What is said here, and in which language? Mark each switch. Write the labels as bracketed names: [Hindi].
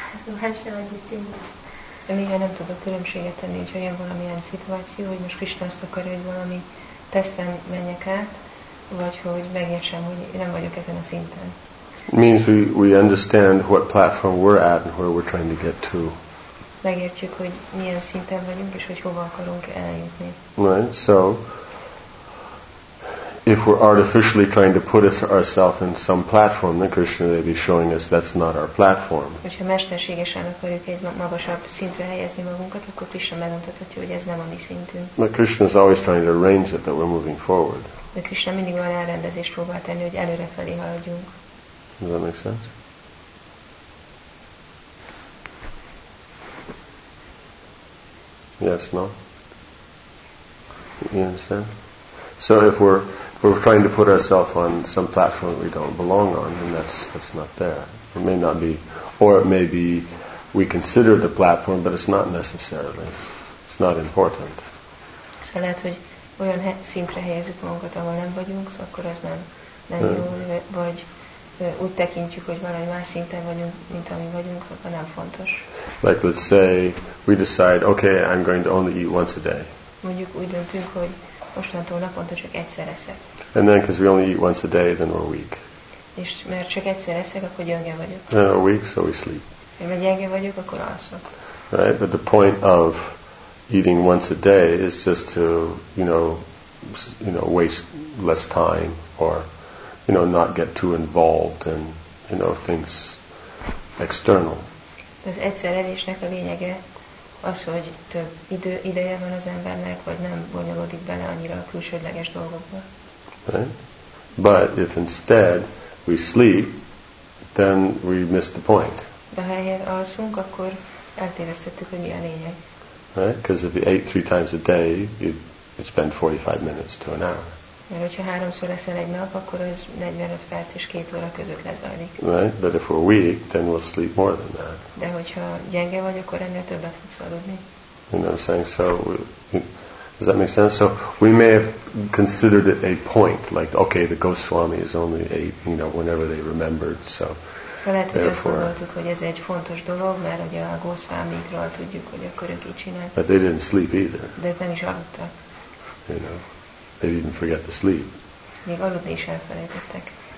[English] So how shall I distinguish? I mean, I don't know the difference between if there is some kind of situation where Krishna wants to carry out some test and many cat, or that I don't know that I'm not on this level. It means we understand what platform we're at and where we're trying to get to. [Hungarian] Megértjük, hogy milyen szinten vagyunk, és hogy hova akarunk eljutni. [English] Right, so if we're artificially trying to put ourselves in some platform, then Krishna may be showing us that's not our platform. [Hungarian] Hogyha mesterségesen akarjuk egy magasabb szintre helyezni magunkat, akkor Krishna megmutathatja, hogy ez nem a mi szintünk. [English] But Krishna is always trying to arrange it that we're moving forward. [Hungarian] De Krishna mindig olyan elrendezést próbál tenni, hogy előrefelé haladjunk. [English] Does that make sense? Yes, no? You understand? So if we're we're trying to put ourselves on some platform that we don't belong on, and that's not there. It may not be, or it may be we consider the platform, but it's not necessarily. It's not important. [Hungarian] So lehet, hogy olyan szintre helyezzük magunkat, ahol nem vagyunk, szóval akkor ez nem jó, vagy úgy tekintjük, hogy valami más szinten vagyunk, mint ami vagyunk, akkor nem fontos. [English] Like let's say we decide, okay, I'm going to only eat once a day. [Hungarian] Mondjuk úgy döntünk, hogy mostantól naponta csak egyszer eszek. [English] And then because we only eat once a day, then we're weak. [Hungarian] És mert csak egyszer eszek, akkor gyenge vagyok. [English] Then we're weak, so we sleep. [Hungarian] Mert gyenge vagyok, akkor alszok. [English] Right, but the point of eating once a day is just to, you know, waste less time, or, you know, not get too involved in, you know, things external. [Hungarian] Az egyszer evésnek a lényege az, hogy több ideje van az embernek, vagy nem bonyolódik bele annyira a külsődleges dolgokba. [English] Right? But if instead we sleep, then we miss the point. [Hungarian] De ha helyet alszunk, akkor eltévesztettük, hogy mi a lényeg. [English] Because if you ate three times a day, you'd spend 45 minutes to an hour. [Hungarian] Mert hogyha háromszor eszel egy nap, akkor az 45 perc és két óra között lezajlik. [English] Right, but if we're weak, then we'll sleep more than that. [Hungarian] De hogyha gyenge vagy, akkor ennél többet fogsz aludni. [English] You know what I'm saying? So, does that make sense? So, we may have considered it a point, like, okay, the Goswami is only eight, you know, whenever they remembered, so. [Hungarian] Lehet, hogy azt gondoltuk, hogy ez egy fontos dolog, mert ugye a Goswamikról tudjuk, hogy akkor ők így csinálták. [English] But they didn't sleep either. [Hungarian] De nem is aludtak. [English] You know. They didn't forget to sleep. [Hungarian] Még aludni is elfelejtettek.